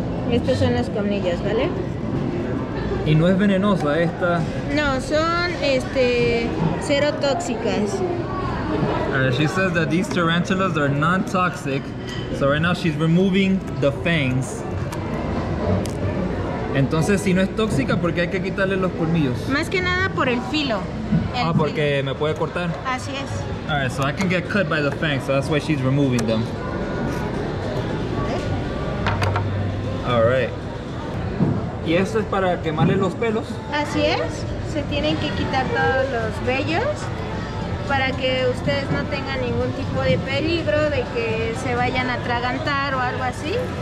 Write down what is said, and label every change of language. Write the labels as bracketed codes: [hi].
[es] Estas son las camillas, ¿vale? Y no es venenosa esta. No, son cero tóxicas. [en] She says that these tarantulas are non-toxic, so right now she's removing the fangs. [es] Entonces, si no es tóxica, ¿por qué hay que quitarle los colmillos? Más que nada por el filo. Porque me puede cortar. Así es. [en] All right, so I can get cut by the fangs, so that's why she's removing them. [es] All right. Y esto es para quemarle los pelos. Así es. se tienen que quitar todos los vellos para que ustedes no tengan ningún tipo de peligro de que se vayan a atragantar o algo así.